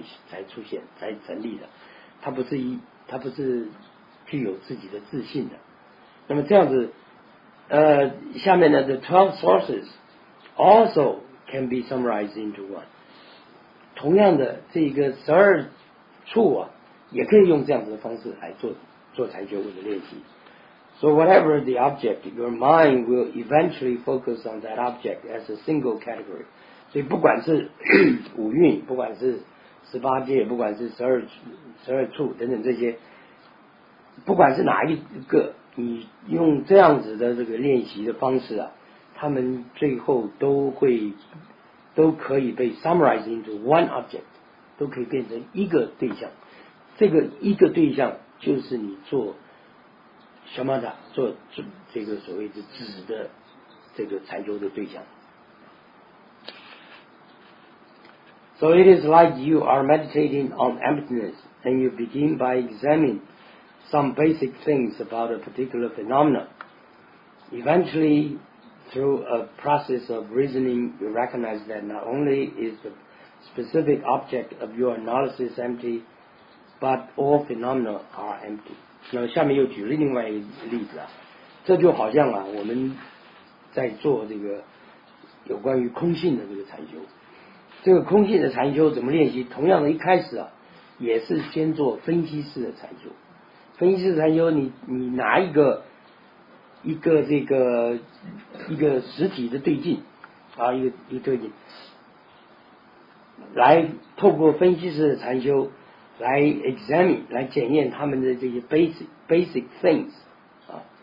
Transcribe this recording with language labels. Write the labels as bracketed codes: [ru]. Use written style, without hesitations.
[zh] 才出现才成立的，他不是具有自己的自信的。 [en] 那么这样子，下面呢，the 12 sources also can be summarized into one。 [zh] 同样的，这个十二处啊，也可以用这样子的方式来做裁决物的练习。 [en] So whatever the object, your mind will eventually focus on that object as a single category. [zh] 所以不管是五蕴，不管是十八界，不管是十二处等等这些，不管是哪一个，你用这样子的这个练习的方式啊，他们最后都可以被 summarize into one object，都可以变成一个对象。这个一个对象就是你做什么的，做这个所谓的指的这个禅修的对象。 [en] So it is like you are meditating on emptiness, and you begin by examining some basic things about a particular phenomenon. Eventually, through a process of reasoning, you recognize that not only is the specific object of your analysis empty, but all phenomena are empty. [zh] 那下面又举了另外一个例子啊，这就好像啊，我们在做这个有关于空性的这个禅修。这个空性的禅修怎么练习？同样的，一开始啊，也是先做分析式的禅修。分析式禅修，你拿一个这个一个实体的对境啊，一个对境，来透过分析式的禅修来 examine 来检验他们的这些 basic things 啊。